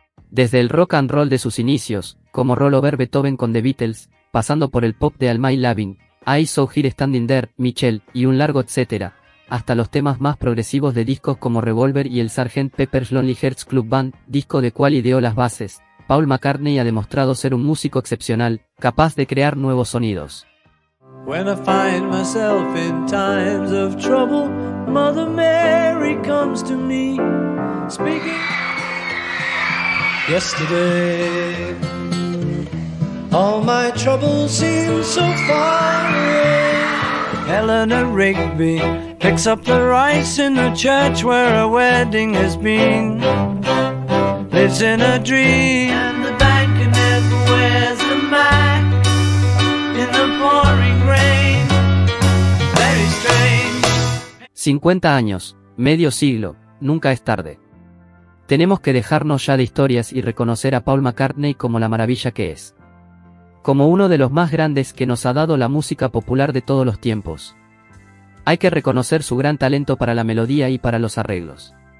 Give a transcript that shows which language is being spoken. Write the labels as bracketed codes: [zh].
[es] Desde el rock and roll de sus inicios, como Rollover Beethoven con The Beatles, pasando por el pop de All My Loving, I Saw Her Standing There, Michelle, y un largo etcétera, hasta los temas más progresivos de discos como Revolver y el Sgt. Pepper's Lonely Hearts Club Band, disco de cual ideó las bases, Paul McCartney ha demostrado ser un músico excepcional, capaz de crear nuevos sonidos. [en] When I find myself in times of trouble, Mother Mary comes to me, speaking yesterday. All my troubles seem so far away. Eleanor Rigby picks up the rice in the church where a wedding has been. Lives in a dream. And the banker never wears a Mac in the pouring rain. Very strange. [es] 50 años, medio siglo, nunca es tarde. Tenemos que dejarnos ya de historias y reconocer a Paul McCartney como la maravilla que es. Como uno de los más grandes que nos ha dado la música popular de todos los tiempos. Hay que reconocer su gran talento para la melodía y para los arreglos.